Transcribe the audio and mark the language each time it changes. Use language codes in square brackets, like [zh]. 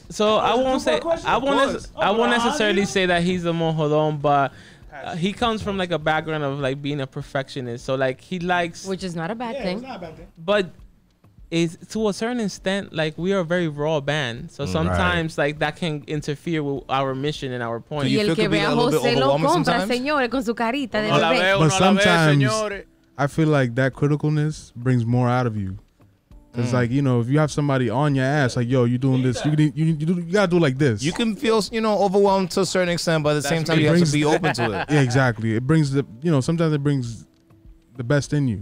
[en] So I won't necessarily say that he's the more jodón, but... he comes from like a background of like being a perfectionist, so like he likes, which is not a bad thing. It's not a bad thing. But is to a certain extent, like we are a very raw band, so sometimes like that can interfere with our mission and our point. [es] Y el que vea José lo compra, señores, con su carita de bebé. [en] But sometimes I feel like that criticalness brings more out of you. It's like, you know, if you have somebody on your ass, like, yo, you're doing this, you got to do like this. You can feel, you know, overwhelmed to a certain extent, but at the same time, you have to be open to it. Yeah, exactly. It brings the, you know, sometimes it brings the best in you.